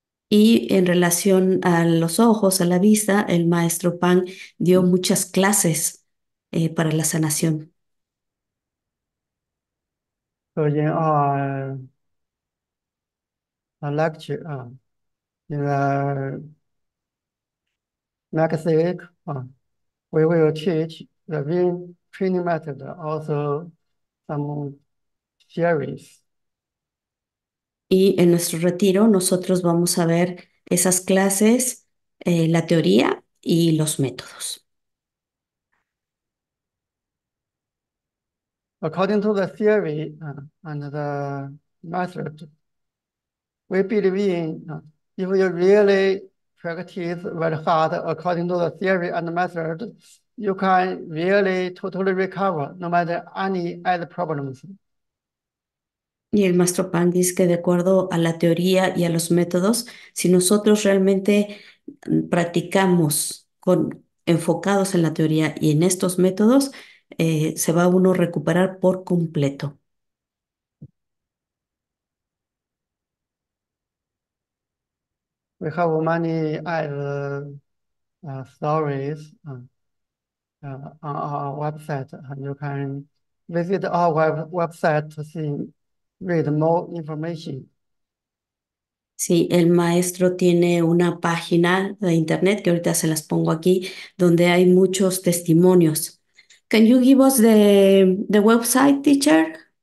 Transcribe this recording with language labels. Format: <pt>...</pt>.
<es>Y en relación a los ojos, a la vista, el maestro Pang dio muchas clases para la sanación.</es> <en>In our lecture, in the next week, we will teach the ring training method, also some theories.</en> <es>Y en nuestro retiro nosotros vamos a ver esas clases, la teoría y los métodos.</es> <en>According to the theory and the method, We believe if you really practice very hard according to the theory and the method, you can really totally recover no matter any other problems.</en> <es>Y el maestro Pan dice que de acuerdo a la teoría y a los métodos, si nosotros realmente practicamos enfocados en la teoría y en estos métodos, se va uno a recuperar por completo.</es> <en>We have many other stories on our website, and you can visit our website to see, read more information.</en> <es>Sí, el maestro tiene una página de internet que ahorita se las pongo aquí, donde hay muchos testimonios.</es> <en>Can you give us the website, teacher?</en>